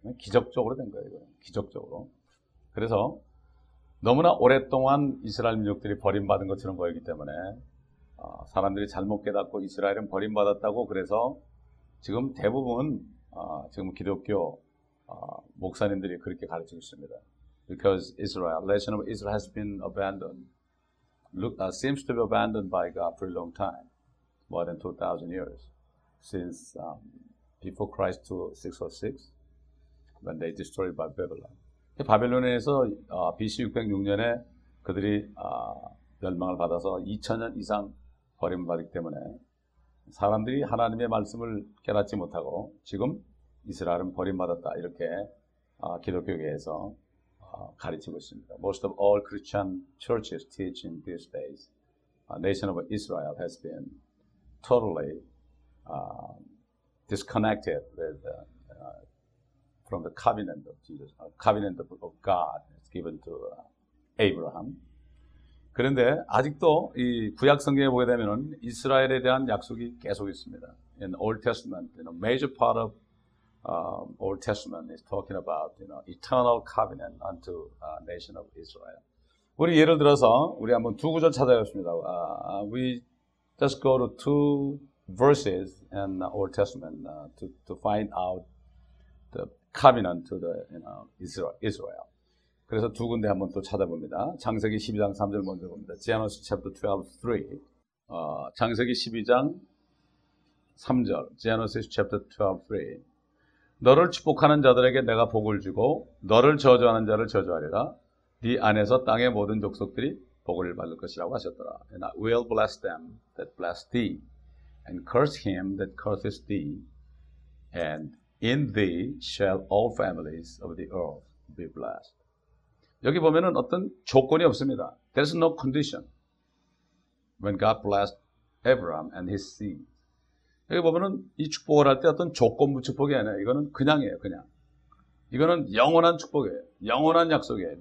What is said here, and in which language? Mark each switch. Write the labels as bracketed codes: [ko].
[ko] 기적적으로 된 거예요, 이거는. 기적적으로. 그래서 너무나 오랫동안 이스라엘 민족들이 버림받은 것처럼 보이기 때문에 사람들이 잘못 깨닫고 이스라엘은 버림받았다고 그래서 지금 대부분 지금 기독교 목사님들이 그렇게 가르치고 있습니다. [en] Because Israel, the nation of Israel has been abandoned, seems to be abandoned by God for a long time, more than 2,000 years, since before Christ 606, when they destroyed by Babylon. [ko] 바벨론에서 BC 606년에 그들이 멸망을 받아서 2,000년 이상 버림을 받기 때문에 사람들이 하나님의 말씀을 깨닫지 못하고 지금 이스라엘은 버림받았다 이렇게 기독교계에서 가르치고 있습니다. [en] Most of all Christian churches teach in these days, nation of Israel has been totally disconnected with from the covenant of Jesus, covenant of God given to Abraham. [ko] 그런데 아직도 이 구약 성경에 보게 되면은 이스라엘에 대한 약속이 계속 있습니다. [en] In Old Testament, you know, major part of Old Testament is talking about, you know, eternal covenant unto nation of Israel. [ko] 우리 예를 들어서 우리 한번 두 구절 찾아봤습니다. [en] We just go to two verses in Old Testament to find out the covenant to the, you know, Israel. [ko] 그래서 두 군데 한번 또 찾아봅니다. 창세기 12장 3절 먼저 봅니다. [en] Genesis chapter 12, 3. [ko] 창세기 12장 3절. [en] Genesis chapter 12, 3. [ko] 너를 축복하는 자들에게 내가 복을 주고 너를 저주하는 자를 저주하리라. 네 안에서 땅의 모든 족속들이 복을 받을 것이라고 하셨더라. [en] And I will bless them that bless thee, and curse him that curses thee. And in thee shall all families of the earth be blessed. [ko] 여기 보면은 어떤 조건이 없습니다. [en] There is no condition. When God blessed Abraham and his seed. [ko] 여기 보면은 이 축복을 할 때 어떤 조건부 축복이 아니라 이거는 그냥이에요, 그냥. 이거는 영원한 축복이에요. 영원한 약속이에요.